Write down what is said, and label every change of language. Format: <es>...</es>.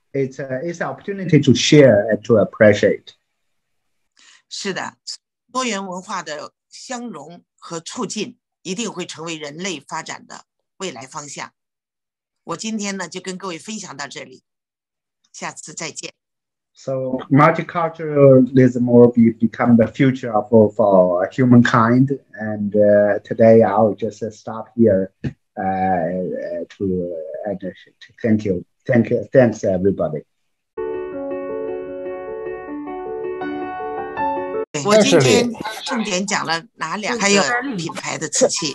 <en>It's an opportunity to share and to appreciate.</en> <zh>是的，多元文化的相融和促进一定会成为人类发展的未来方向。我今天呢就跟各位分享到这里，下次再见。</zh> <en>So multiculturalism will become the future for humankind, and today I'll just stop here to thank you, thanks everybody.</en> <zh>我今天重点讲了哪两个还有品牌的瓷器？</zh>